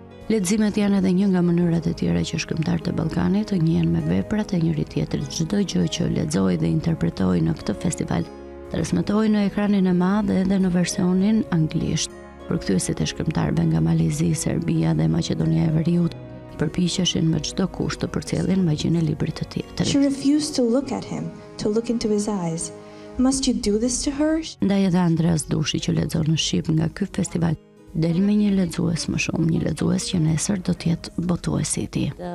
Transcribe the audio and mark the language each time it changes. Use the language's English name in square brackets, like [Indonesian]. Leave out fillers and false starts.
[Albanian] Leximet janë edhe një nga mënyrat e tjera që shkrimtarët e Ballkanit të njihen me veprat e njëri tjetrit. Çdo gjë që lexoi dhe interpretoi në këtë festival transmetohej në ekranin e madh edhe në versionin anglisht. Përkthyeset e shkrimtarëve nga Malezi, Serbia dhe Maqedonia e Veriut përpiqeshin me çdo kusht të përcjellin magjinë e librit të tjetrit. [English] She refused to look at him, to look into his eyes. Must you do this to her? [Albanian] Ndaj edhe Andreas Dushi që lexon në shqip nga ky festival del me një lexues më shumë, një lexues që nesër do të jetë botuesi i tij.